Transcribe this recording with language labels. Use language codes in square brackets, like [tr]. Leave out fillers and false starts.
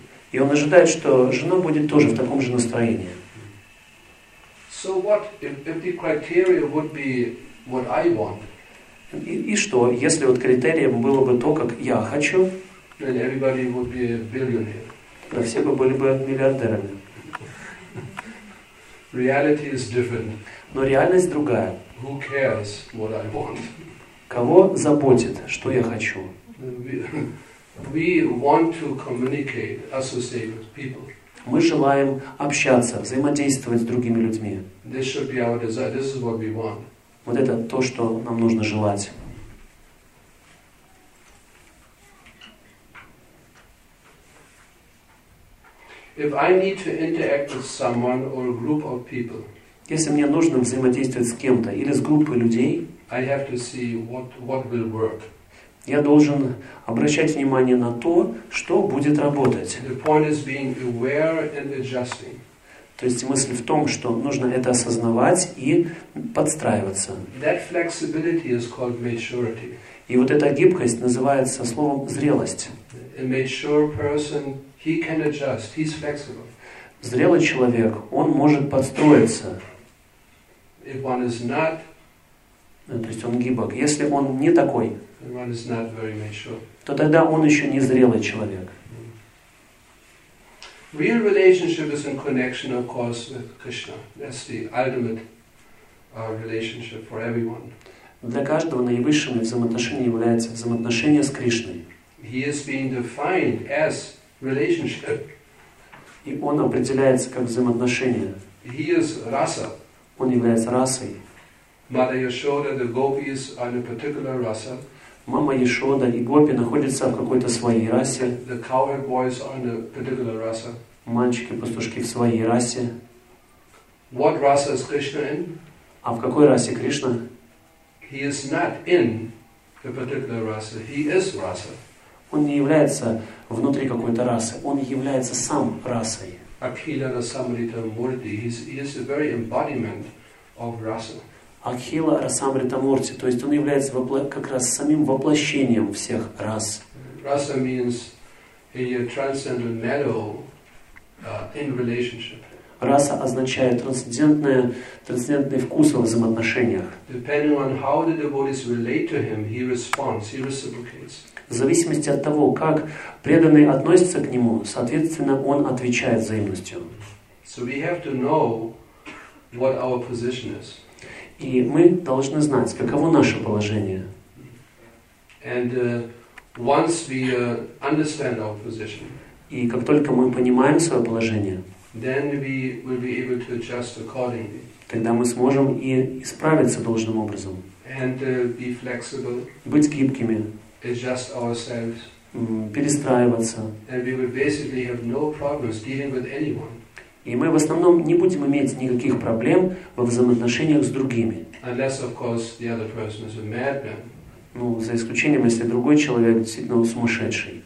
[ru] И он ожидает, что жена будет тоже в таком же настроении. [en] So what if the criteria would be what I want? [ru] И что, если вот критерием было бы то, как я хочу? [en] Then everybody would be a billionaire. [ru] то все бы были бы миллиардерами. [en] Reality is different. [ru] Но реальность другая. [en] Who cares what I want? [ru] Кого заботит, что я хочу? [en] We want to communicate, associate with people. [ru] Мы желаем общаться, взаимодействовать с другими людьми. [en] This should be our desire. This is what we want. [ru] Вот это то, что нам нужно желать. [en] If I need to interact with someone or a group of people, [ru] если мне нужно взаимодействовать с кем-то или с группой людей, [en] I have to see what will work. [ru] Я должен обращать внимание на то, что будет работать. [en] The point is being aware and adjusting. [ru] То есть мысль в том, что нужно это осознавать и подстраиваться. [en] That flexibility is called maturity. [ru] И вот эта гибкость называется словом «зрелость». [en] A mature person, he can adjust, he's flexible. [ru] Зрелый человек, он может подстроиться. [en] If one is not, [ru] то есть он гибок. Если он не такой, [en] one is not very mature, [ru] то тогда он еще не зрелый человек. [en] Real relationship is in connection, of course, with Krishna. That's the ultimate relationship for everyone. [ru] Для каждого наивысшим взаимоотношение является взаимоотношение с Кришной. [en] He is being defined as relationship. [ru] И он определяется как взаимоотношение. [en] He is rasa. [ru] Он является расой. [en] Mother Yashoda, the gopis are in a particular rasa. [ru] Мама Яшода и гопи находятся в какой-то своей расе. [en] The cowherd boys are in a particular rasa. [ru] Мальчики-пастушки в своей расе. [en] What rasa is Krishna in? [ru] А в какой расе Кришна? [en] He is not in a particular rasa. He is rasa. [ru] Он не является внутри какой-то расы. Он является сам расой. [en] Akhila Rasamrita Murti. He is the very embodiment of rasa. [ru] Акхила Расамрита Мурти, то есть он является как раз самим воплощением всех рас. [en] Rasa means a transcendental metal in relationship. [ru] Раса означает трансцендентный вкус во взаимоотношениях. [en] Depending on how the devotees relate to him, he responds, he reciprocates. [ru] В зависимости от того, как преданный относится к нему, соответственно, он отвечает взаимностью. [en] So we have to know what our position is. [ru] И мы должны знать, каково наше положение. [en] And, once we, understand our position, [ru] и как только мы понимаем свое положение, [en] then we will be able to adjust accordingly. [ru] Тогда мы сможем и исправиться должным образом. [en] And, be flexible, [ru] быть гибкими. [en] Adjust ourselves, [ru] перестраиваться. [en] And we will basically have no problems dealing with anyone. [ru] И мы в основном не будем иметь никаких проблем во взаимоотношениях с другими. [en] Unless, of course, the other person is a madman. [ru] Ну, за исключением, если другой человек действительно сумасшедший.